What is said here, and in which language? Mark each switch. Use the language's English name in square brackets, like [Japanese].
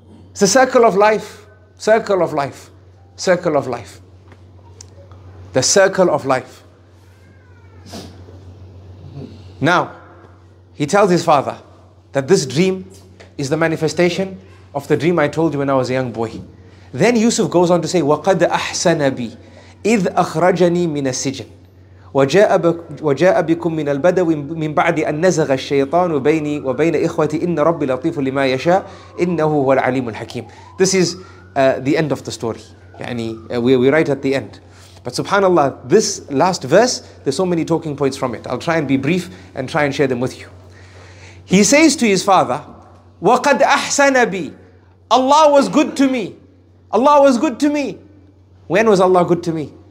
[English] It's a circle of life. Circle of life. Circle of life. The circle of life. Now, he tells his father that this dream is the manifestation of the dream I told you when I was a young boy. Then Yusuf goes on to say, [Arabic] وَقَدْ أَحْسَنَ بِي إِذْ أَخْرَجَنِي مِنَ السِّجْنِ وَجَاءَ بِكُم مِّنَ الْبَدَوِ مِن بَعْدِ أَن نَزَغَ الشَّيْطَانُ بَيْنِي وَبَيْنَ إِخْوَتِي إِنَّ رَبِّي لَطِيفٌ لِمَا يَشَاءُ إِنَّهُ هُوَ الْعَلِيمُ الْحَكِيمُ. [English] This is the end of the story. We're right at the end. But subhanAllah, this last verse, there's so many talking points from it. I'll try and be brief and try and share them with you. He says to his father, [Arabic] وَقَدْ أَحْسَنَ بِي. [English] Allah was good to me. Allah was good to me. When was Allah good to me?